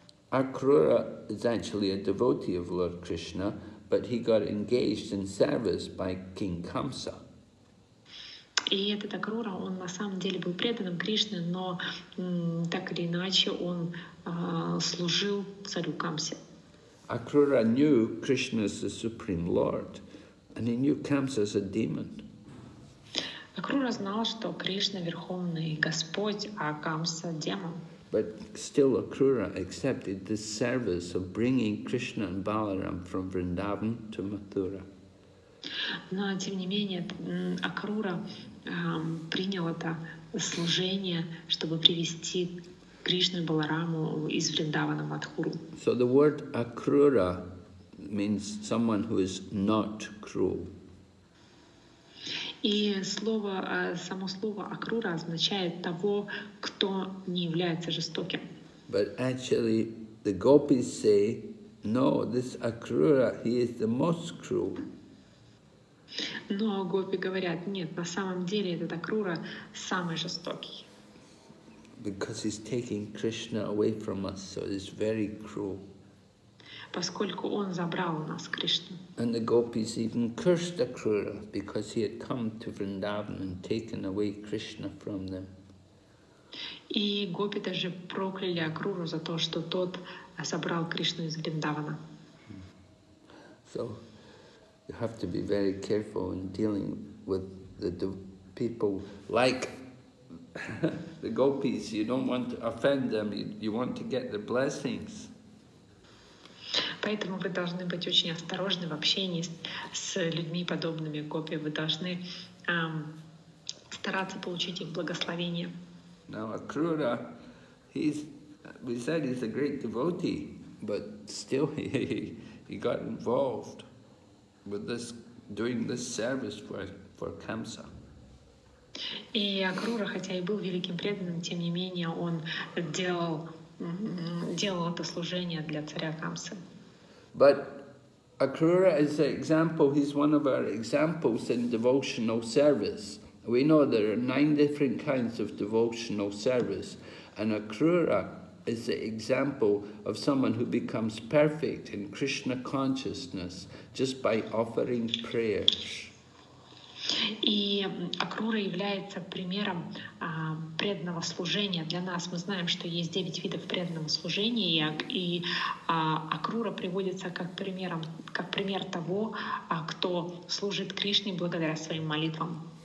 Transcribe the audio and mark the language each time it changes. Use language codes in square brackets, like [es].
[en] Акрура is actually a devotee of Lord Krishna, but he got engaged in service by King Kamsa. [ru] И этот Акрура, он на самом деле был преданным Кришне, но так или иначе он служил царю Камсе. [en] Akrura knew Krishna is the supreme lord, and he knew Kamsa is a demon. [ru] Akrura знал, что Кришна верховный господь, а Камса демон. [en] But still, Akrura accepted the service of bringing Krishna and Balaram from Vrindavan to Mathura. [ru] Но тем не менее Акрура принял это служение, чтобы привести Кришну и Балараму из Вриндавана в Матхуру. [en] So the word Akrura means someone who is not cruel. [ru] И слово, само слово Акрура означает того, кто не является жестоким. [en] But actually the gopis say, no, this Akrura, he is the most cruel. [ru] Но гопи говорят, нет, на самом деле этот Акрура самый жестокий. [en] Because he's taking Krishna away from us, so it's very cruel. [ru] Поскольку он забрал у нас Кришну. [en] And the gopis even cursed Akrura because he had come to Vrindavan and taken away Krishna from them. [ru] И гопи даже прокляли Акруру за то, что тот забрал Кришну из Вриндавана. [en] So you have to be very careful in dealing with the people like the gopis. You don't want to offend them, you want to get their blessings. [ru] Поэтому вы должны быть очень осторожны в общении с людьми подобными гопи. Вы должны стараться получить их благословение. [en] Now Akrura, he's, we said he's a great devotee, but still he got involved with this, doing this service for Kamsa. [ru] И Акрура, хотя и был великим преданным, тем не менее он делал, делал это служение для царя Камсы. [en] But Akrura is an example, he's one of our examples in devotional service. We know there are 9 different kinds of devotional service, and Akrura is the example of someone who becomes perfect in Krishna consciousness just by offering prayers. [ru] И Акрура является примером преданного служения для нас. Мы знаем, что есть 9 видов преданного служения, и Акрура приводится как примером, как пример того, кто служит Кришне благодаря своим молитвам.